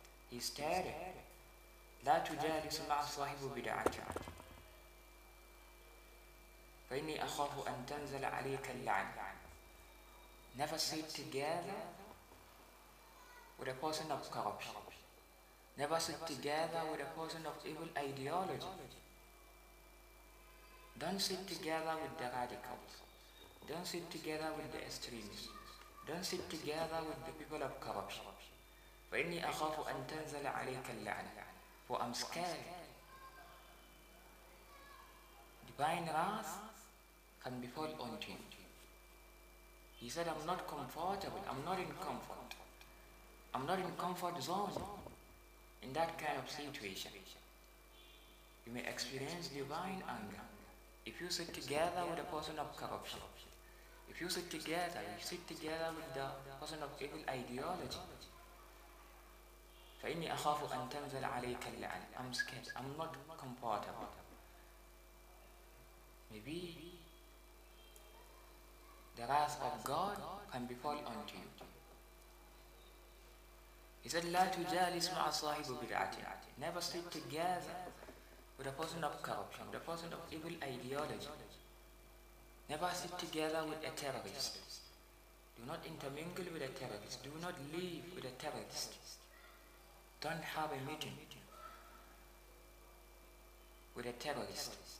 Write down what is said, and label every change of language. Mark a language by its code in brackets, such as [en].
[en] He stated, [ar] لا تجالس مع صاحب بدعته فإني أخاف أن تنزل عليك اللعنة. [en] Never sit together with a person of corruption. Never sit together with a person of evil ideology. Don't sit together with the radicals. Don't sit together with the extremists. Don't sit together with the people of corruption. [ar] فإني أخاف أن تنزل عليك اللعنة. [en] For I'm scared. Divine wrath can befall on him. He said, I'm not comfortable. I'm not in comfort. I'm not in comfort zone in that kind of situation. You may experience divine anger if you sit together with a person of corruption. If you sit together, you sit together with the person of evil ideology. [ar] فإني أخاف أن تنزل عليك اللعنة. [en] I'm scared. I'm not comfortable. Maybe the wrath of God can befall on you. He said, [ar] لا تجالس مع صاحب بدعة. [en] Never sit together with a person of corruption, with a person of evil ideology. Never sit together with a terrorist. Do not intermingle with a terrorist. Do not live with a terrorist. Don't have a meeting with a terrorist.